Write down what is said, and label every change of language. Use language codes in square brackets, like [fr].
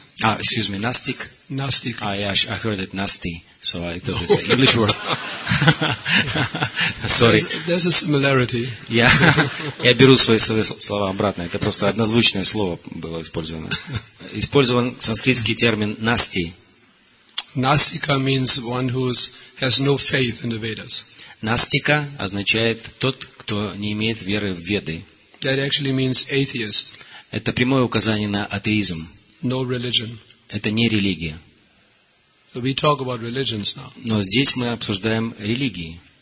[en] Ah, excuse me, Gnostic. Gnostic. Yeah, I heard it nasty, so I thought it's an English word. Sorry. There's a similarity. Yeah. [ru] Я беру свои слова обратно. Это просто однозвучное слово было использовано. Использован санскритский термин nasty. [en] Nastika means one who has no faith in the Vedas. [ru] Nastika означает тот, кто не имеет веры в Веды. [en] That actually means atheist. [ru] Это прямое указание на атеизм. [en] No religion. [ru] Это не религия. [en] So we talk about religions now. [ru] Но здесь мы обсуждаем религии.